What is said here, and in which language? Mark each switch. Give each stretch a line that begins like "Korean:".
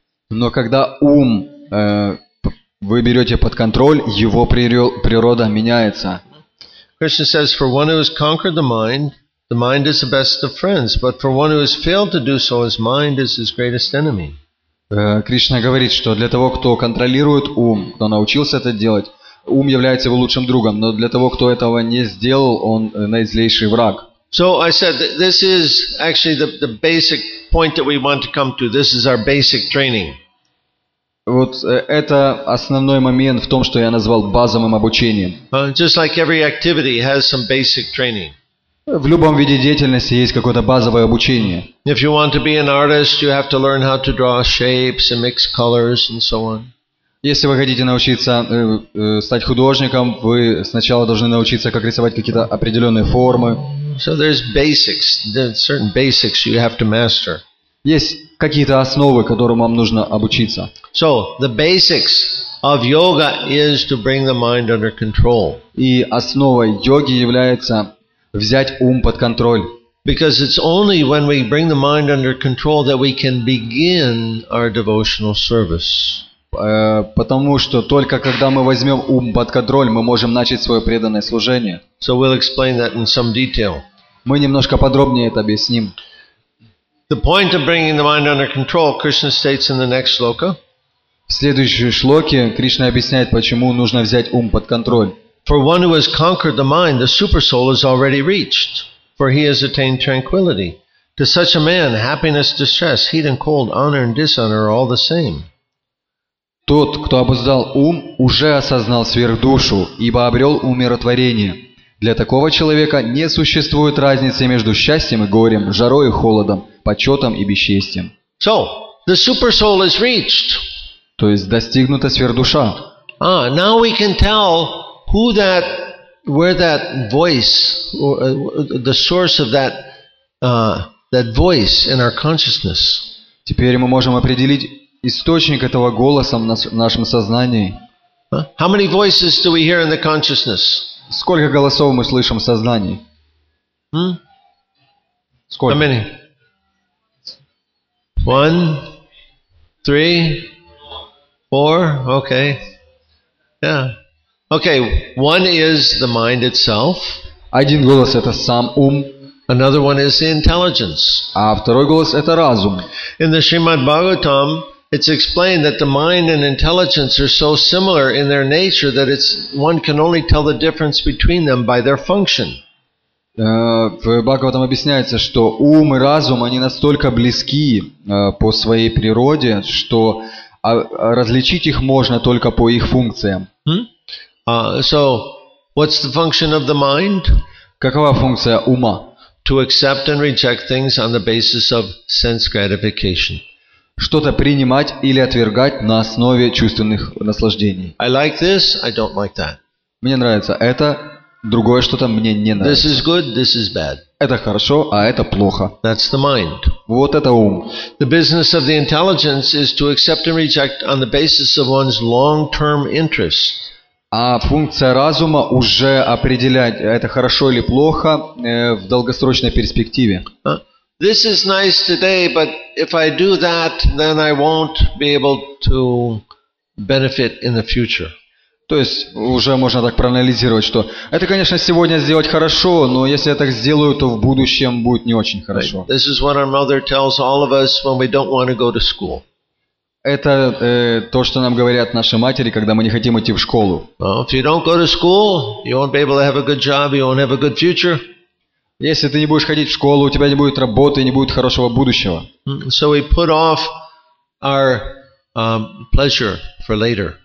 Russian: Но когда ум вы берете под контроль, его природа меняется.
English: Krishna says, for one who has conquered the mind is the best of friends, but for one who has failed to do so, his mind is his greatest enemy.
Russian: Кришна говорит, что для того, кто контролирует ум, кто научился это делать, ум является его лучшим другом, но для того, кто этого не сделал, он наизлейший враг.
English: So I said, this is actually the basic point that we want to come to. This is our basic training.
Russian: Вот это основной момент в том, что я назвал базовым обучением.
English: Just like every activity has some basic training.
Russian: В любом виде деятельности есть какое-то базовое обучение.
English: If you want to be an artist, you have to learn how to draw shapes and mix colors and so on.
Russian: Если вы хотите научиться стать художником, вы сначала должны научиться, как рисовать какие-то определенные формы.
English: So there's basics, there's certain basics you have to master.
Russian: Есть какие-то основы, которым вам нужно обучиться.
English: So the basics of yoga is to bring the mind under control.
Russian: И основой йоги является взять ум под контроль.
English: Because it's only when we bring the mind under control that we can begin our devotional service.
Russian: Потому что только когда мы возьмем ум под контроль, мы можем начать свое преданное служение.
English: So we'll explain that in some detail.
Russian: Мы немножко подробнее это объясним.
English: The point of bringing the mind under control, Krishna states in the next sloka.
Russian: В следующей шлоке Кришна объясняет, почему нужно взять ум под контроль.
English: For one who has conquered the mind, the supersoul is already reached, for he has attained tranquility. To such a man, happiness, distress, heat and cold, honor and dishonor are all the same.
Russian: Тот, кто обуздал ум, уже осознал сверхдушу, ибо обрел умиротворение. Для такого человека не существует разницы между счастьем и горем, жарой и холодом, почетом и бесчестием.
English: So, the supersoul is reached.
Russian: То есть достигнута сверхдуша.
English: Now we can tell who that, where that voice, the source of that, that voice in our consciousness.
Russian: Теперь мы можем определить источник этого голоса в нашем сознании.
English: How many voices do we hear in the consciousness?
Russian: Сколько голосов мы слышим в сознании? Сколько?
English: How many? One, three, four. Okay. Yeah. Okay. One is the mind itself.
Russian: Один голос это сам ум.
English: Another one is the intelligence.
Russian: А второй голос это разум.
English: In the Srimad Bhagavatam, it's explained that the mind and intelligence are so similar in their nature that it's one can only tell the difference between them by their function.
Russian: В Бхагаватам объясняется, что ум и разум, они настолько близки по своей природе, что различить их можно только по их функциям.
English: So, what's the function of the mind?
Russian: Какова функция ума?
English: To accept and reject things on the basis of sense gratification.
Russian: Что-то принимать или отвергать на основе чувственных наслаждений.
English: I like this, I don't like that.
Russian: Мне нравится это. Другое что-то мне не нравится.
English: This is good, this is bad.
Russian: Это хорошо, а это плохо.
English: That's the mind.
Russian: Вот это ум.
English: The business of the intelligence is to accept and reject on the basis of one's long-term interests.
Russian: А функция разума уже определять, это хорошо или плохо, в долгосрочной перспективе.
English: This is nice today, but if I do that, then I won't be able to benefit in the future.
Russian: То есть уже можно так проанализировать, что это, конечно, сегодня сделать хорошо, но если я так сделаю, то в будущем будет не очень хорошо.
English: This is what our mother tells all of us when we don't want to go to school.
Russian: Это то, что нам говорят наши матери, когда мы не хотим идти в школу.
English: Well, if you don't go to school, you won't be able to have a good job, you won't have a good future.
Russian: Если ты не будешь ходить в школу, у тебя не будет работы, не будет хорошего будущего.
English: So we put off our pleasure for later.